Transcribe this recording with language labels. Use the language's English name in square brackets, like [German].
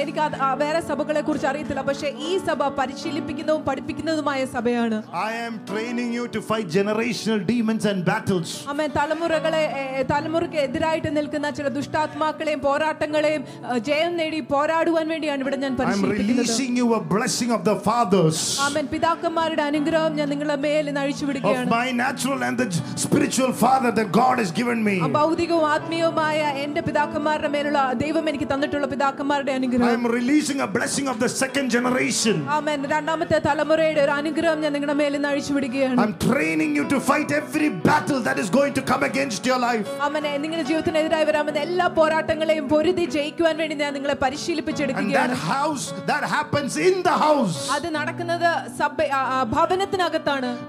[Malayalam] Erika വേറെ സഭകളെ കുറിച്ച് അറിയത്തില്ല പക്ഷേ ഈ സഭ പരിശീലിപ്പിക്കുന്നതും പഠിപ്പിക്കുന്നതുമായ സഭയാണ്. [English] I am training you to fight generational demons and battles. [Malayalam] അമേ തലമുറകളെ തലമുറയ്ക്ക് എതിരായിട്ട് നിൽക്കുന്ന ചില ദുഷ്ടാത്മാക്കളെയും പോരാട്ടങ്ങളെയും ജയം നേടി പോരാടുവാൻ വേണ്ടിയാണ് ഇവിടെ ഞാൻ പരിശീലിപ്പിക്കുന്നത്. [English] I am releasing you a blessing of the fathers. [Malayalam] അമേ പിതാക്കന്മാരുടെ അനുഗ്രഹം ഞാൻ നിങ്ങളുടെ മേൽ നിഴിച്ചു വിടുകയാണ്. [English] Of my natural and the spiritual father that God has given me. [Malayalam] ഭൗതികവും ആത്മീയവുമായ എൻ്റെ പിതാക്കന്മാരുടെ മേലുള്ള ദൈവം എനിക്ക് തന്നിട്ടുള്ള പിതാക്കന്മാരുടെ അനുഗ്രഹം. [English] Releasing a blessing of the second generation. Amen. [Malayalam] രണ്ടാമത്തെ തലമുറയുടെ ഒരു അനുഗ്രഹം ഞാൻ നിങ്ങളുടെ മേൽ നിഴിച്ചു വിടുകയാണ്. [English] I'm training you to fight every battle that is going to come against your life. Amen. [Malayalam] നിങ്ങളുടെ ജീവിതത്തിന് എതിരായി വരാവുന്ന എല്ലാ പോരാട്ടങ്ങളെയും പൊരുതി ജയിക്കുവാൻ വേണ്ടി ഞാൻ നിങ്ങളെ പരിശീലിപ്പിച്ചെടുക്കുകയാണ്. [English] And that house that happens in the house. [Malayalam] അത് നടക്കുന്നത് സഭ ഭവനത്തിനകത്താണ്.